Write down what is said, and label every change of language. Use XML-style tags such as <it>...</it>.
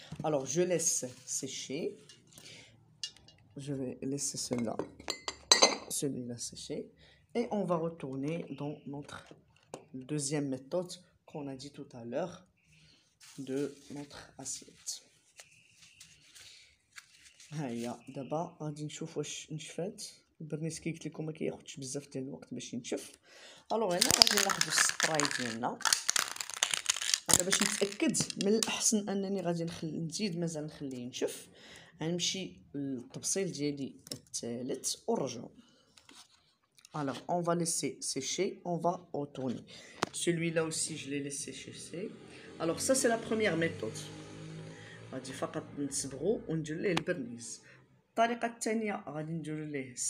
<fr>Alors je laisse sécher. Je vais laisser celui-là sécher et on va retourner dans notre deuxième méthode qu'on a dit tout à l'heure de notre assiette.</fr> <ar>هيا دابا غادي نشوف واش نشفات البرنيس. كي قلت لكم ما كياخذش بزاف ديال الوقت باش ينشف. الوغ هنا غادي ناخذ السبراي ديالنا باش نتاكد من الاحسن انني غادي نخلي نزيد مازال نخليه ينشف، غنمشي للتبصيل ديالي الثالث ونرجع.</ar> <fr>Alors, on va laisser sécher, on va retourner. Celui-là aussi, je l'ai laissé sécher. Alors, ça, c'est la première méthode. On va faire un peu de bernis. On va faire un peu de bernis.</fr>